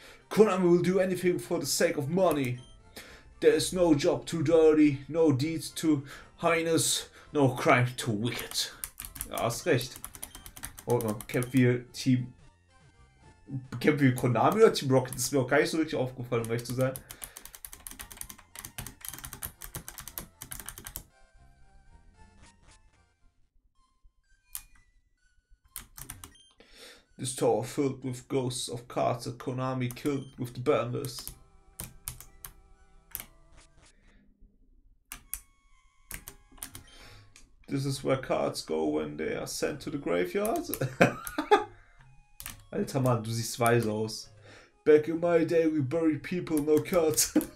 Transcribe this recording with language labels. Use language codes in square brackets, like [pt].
[en] Konami will do anything for the sake of money. There is no job too dirty, no deeds too heinous, no crime too wicked. [de] Ja, hast recht. Oh, kämpfen wir Konami oder Team Rocket? Das ist mir auch gar nicht so richtig aufgefallen, um ehrlich zu sein. [en] This tower filled with ghosts of cards that Konami killed with the banners. This is where cards go when they are sent to the graveyard. [de] Alter Mann, du siehst weise aus. [en] Back in my day we buried people, no cards.